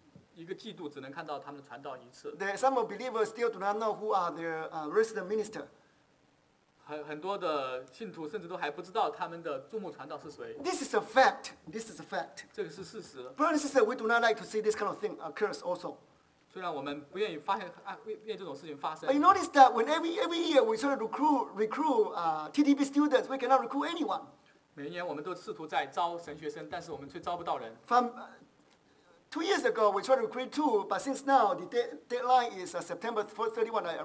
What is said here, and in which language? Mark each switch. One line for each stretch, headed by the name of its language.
Chinese: 在北加州的时候，那个太平洋教会他就告诉我们，他们一个季度只能看到他们传道一次。
English: There are some believers still do not know who are their resident minister.
Chinese: 很多的信徒甚至都还不知道他们的注目传道是谁。
English: This is a fact. This is a fact.
Chinese: 这个是事实。
English: Brother and sister, we do not like to see this kind of thing occur also.
Chinese: 虽然我们不愿意发现这种事情发生。
English: You notice that when every year we sort of recruit TTP students, we cannot recruit anyone.
Chinese: 每一年我们都试图在招神学生，但是我们却招不到人。
English: From 2 years ago, we tried to recruit 2, but since now the deadline is September 31.